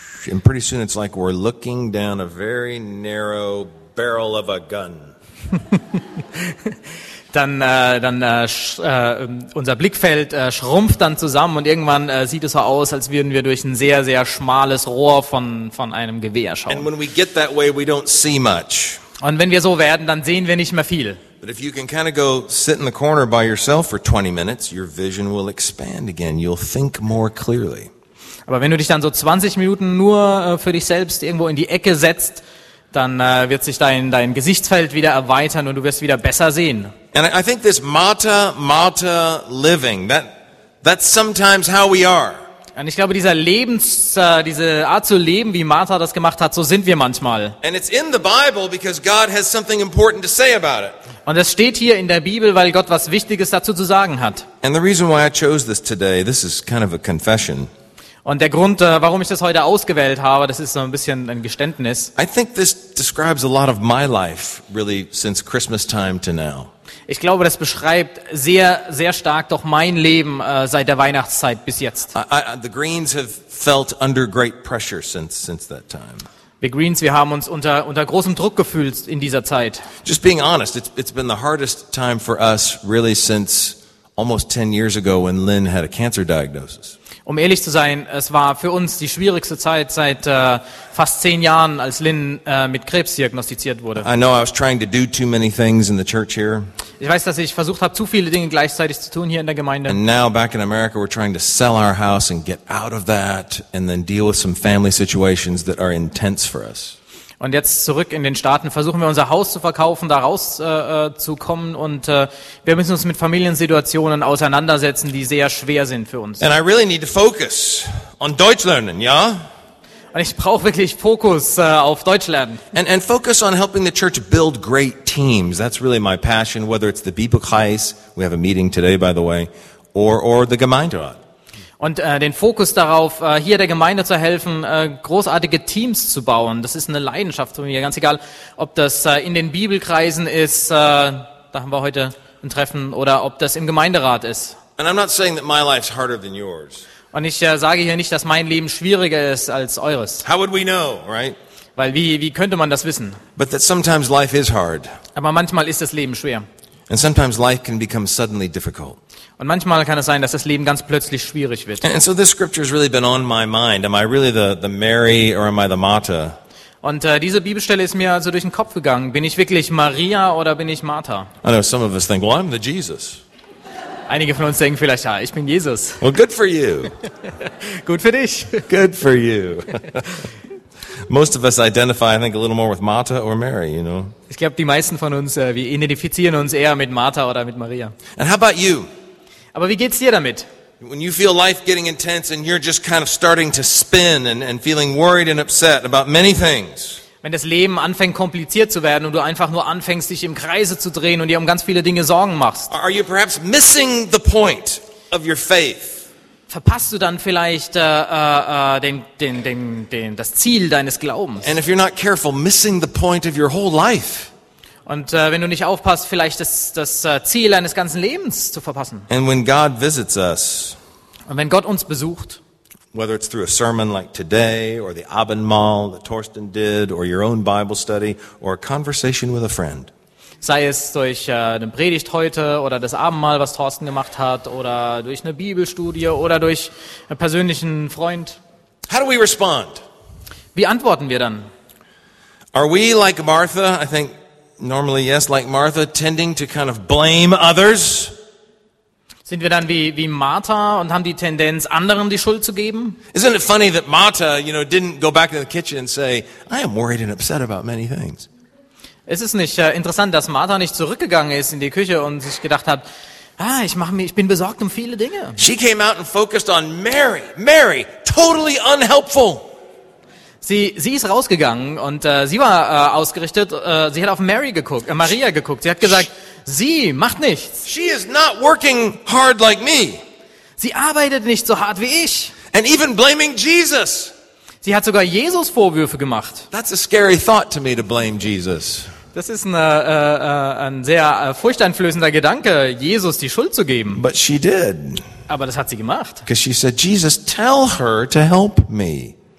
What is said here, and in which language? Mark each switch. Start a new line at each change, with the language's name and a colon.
English: And pretty soon it's like we're looking down a very narrow barrel of a gun.
German: unser Blickfeld schrumpft dann zusammen und irgendwann sieht es so aus, als würden wir durch ein sehr, sehr schmales Rohr von einem Gewehr schauen.
English: And when we get that way, we don't see much.
German: Und wenn wir so werden, dann sehen wir nicht mehr viel.
English: But if you can kind of go sit in the corner by yourself for 20 minutes, your vision will expand again. You'll think more clearly.
German: Aber wenn du dich dann so 20 Minuten nur für dich selbst irgendwo in die Ecke setzt, dann wird sich dein Gesichtsfeld wieder erweitern und du wirst wieder besser sehen.
English: And I think this mata living, that's sometimes how we are.
German: Und ich glaube, diese Art zu leben, wie Martha das gemacht hat, so sind wir manchmal.
English: And it's in the Bible because God has something important to say about it.
German: Und es steht hier in der Bibel, weil Gott was Wichtiges dazu zu sagen hat.
English: And the reason why I chose this today, this is kind of a confession.
German: Und der Grund, warum ich das heute ausgewählt habe, das ist so ein bisschen ein Geständnis.
English: I think this describes a lot of my life really since Christmas time to now.
German: Ich glaube, das beschreibt sehr, sehr stark doch mein Leben seit der Weihnachtszeit bis jetzt.
English: The Greens have felt under great pressure since that time.
German: Wir Greens, wir haben uns unter großem Druck gefühlt in dieser Zeit.
English: Just being honest, it's been the hardest time for us really since almost 10 years ago when Lynn had a cancer diagnosis.
German: Um ehrlich zu sein, es war für uns die schwierigste Zeit seit fast 10 Jahren, als Lynn mit Krebs diagnostiziert wurde.
English: I know I was trying to do too many things in the church here.
German: Ich weiß, dass ich versucht habe, zu viele Dinge gleichzeitig zu tun hier in der Gemeinde.
English: And now back in America, we're trying to sell our house and get out of that and then deal with some family situations that are intense for us.
German: Und jetzt zurück in den Staaten versuchen wir unser Haus zu verkaufen, da raus zu kommen und wir müssen uns mit Familiensituationen auseinandersetzen, die sehr schwer sind für uns.
English: And I really need to focus on
German: Deutsch lernen, ja? Und ich brauche wirklich Fokus auf Deutsch lernen.
English: And focus on helping the church build great teams. That's really my passion, whether it's the Bibelkreis, we have a meeting today by the way, or the Gemeinderat.
German: Und den Fokus darauf, hier der Gemeinde zu helfen, großartige Teams zu bauen. Das ist eine Leidenschaft von mir. Ganz egal, ob das in den Bibelkreisen ist, da haben wir heute ein Treffen, oder ob das im Gemeinderat ist.
English: And I'm not saying that my life's harder than yours.
German: Und ich sage hier nicht, dass mein Leben schwieriger ist als eures.
English: How would we know, right?
German: Weil wie könnte man das wissen?
English: But that sometimes life is hard.
German: Aber manchmal ist das Leben schwer.
English: And sometimes life can become suddenly difficult.
German: Und manchmal kann es sein, dass das Leben ganz plötzlich schwierig wird.
English: And so this scripture has really been on my mind. Am I really the Mary or am I the Martha?
German: Und diese Bibelstelle ist mir also durch den Kopf gegangen. Bin ich wirklich Maria oder bin ich Martha?
English: I know some of us think, well, I'm the Jesus.
German: Einige von uns denken vielleicht, ja, ich bin Jesus.
English: Well, good for you.
German: Gut für dich.
English: Good for you. most of us identify, I think, a little more with Martha or Mary, you know.
German: Ich glaube, die meisten von uns, wir identifizieren uns eher mit Martha oder mit Maria.
English: And how about you?
German: Aber wie geht's dir damit?
English: When you feel life getting intense and you're just kind of starting to spin and feeling worried and upset about many things.
German: Wenn das Leben anfängt kompliziert zu werden und du einfach nur anfängst, dich im Kreise zu drehen und dir um ganz viele Dinge Sorgen machst.
English: Are you perhaps missing the point of your faith?
German: Verpasst du dann vielleicht das Ziel deines Glaubens?
English: And if you're not careful, missing the point of your whole life.
German: Und wenn du nicht aufpasst, vielleicht das Ziel deines ganzen Lebens zu verpassen.
English: And when God visits us,
German: und wenn Gott uns besucht,
English: whether it's through a sermon like today or the Abendmahl that Thorsten did or your own Bible study or a conversation with a friend.
German: Sei es durch eine Predigt heute oder das Abendmahl, was Thorsten gemacht hat, oder durch eine Bibelstudie oder durch einen persönlichen Freund.
English: How do we respond?
German: Wie antworten wir dann?
English: Are we like Martha? I think normally yes, like Martha, tending to kind of blame others.
German: Sind wir dann wie Martha und haben die Tendenz, anderen die Schuld zu geben?
English: Isn't it funny that Martha, you know, didn't go back to the kitchen and say, I am worried and upset about many things.
German: Es ist nicht interessant, dass Martha nicht zurückgegangen ist in die Küche und sich gedacht hat, ich bin besorgt um viele Dinge.
English: She came out and focused on Mary. Mary, totally unhelpful.
German: Sie ist rausgegangen und sie war ausgerichtet, sie hat auf Mary geguckt, Maria geguckt. Sie hat gesagt, sie macht nichts.
English: She is not working hard like me.
German: Sie arbeitet nicht so hart wie ich.
English: And even blaming Jesus.
German: Sie hat sogar Jesus Vorwürfe gemacht.
English: That's a scary thought to me, to blame Jesus.
German: Das ist ein sehr furchteinflößender Gedanke, Jesus die Schuld zu geben.
English: But she did.
German: Aber das hat sie gemacht.
English: Because she said, Jesus, tell her to help me.